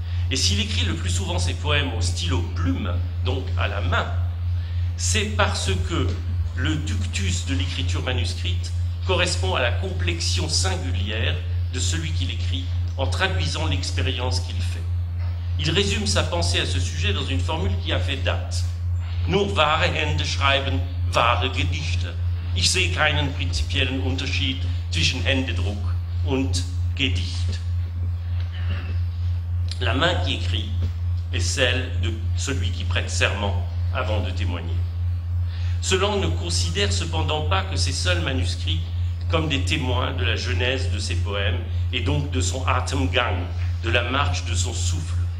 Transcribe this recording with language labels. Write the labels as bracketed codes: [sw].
[fr] Et s'il écrit le plus souvent ses poèmes au stylo plume, donc à la main, c'est parce que le ductus de l'écriture manuscrite correspond à la complexion singulière de celui qui l'écrit en traduisant l'expérience qu'il fait. Il résume sa pensée à ce sujet dans une formule qui a fait date. [de] Nur wahre Hände schreiben wahre Gedichte. Ich sehe keinen prinzipiellen Unterschied zwischen Händedruck und Gedicht. [fr] La main qui écrit est celle de celui qui prête serment avant de témoigner. Celan ne considère cependant pas que ses seuls manuscrits comme des témoins de la genèse de ses poèmes et donc de son Atemgang, de la marche de son souffle.